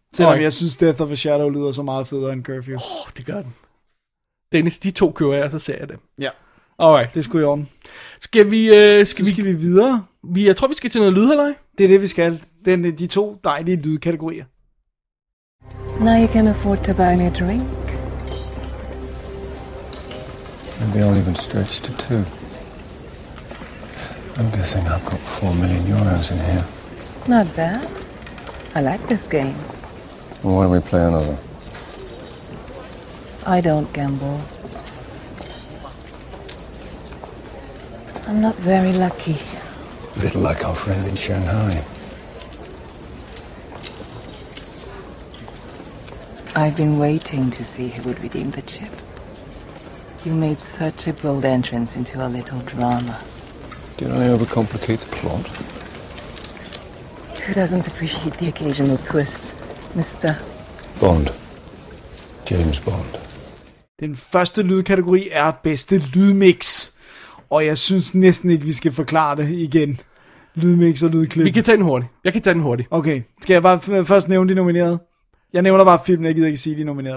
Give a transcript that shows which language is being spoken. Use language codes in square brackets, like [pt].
[da] Selvom jeg synes, Death of a Shadow lyder så meget federe end curfew. Det gør den. Dennis, de to kører jeg, så ser jeg det. Ja. [en] Alright. [da] Det skulle jeg om. Skal vi videre? Jeg tror, vi skal til noget lydhalløj. Det er det, vi skal. Det er de to dejlige lydkategorier. [en] Now you can afford to buy me a drink. Maybe I'll even stretch to two. I'm guessing I've got 4 million euros in here. Not bad. I like this game. Well, why don't we play another? I don't gamble. I'm not very lucky. A little like our friend in Shanghai. I've been waiting to see who would redeem the chip. You made such a bold entrance into a little drama. Did I overcomplicate the plot? Who doesn't appreciate the occasional twist, Mr. Bond. James Bond. [da] Den første lydkategori er bedste lydmix. Og jeg synes næsten ikke, vi skal forklare det igen. Lydmix og lydklip. Vi kan tage den hurtigt. Jeg kan tage den hurtigt. Okay. Skal jeg bare først nævne de nominerede? Jeg nævner bare filmen, jeg gider ikke sige de nominerede.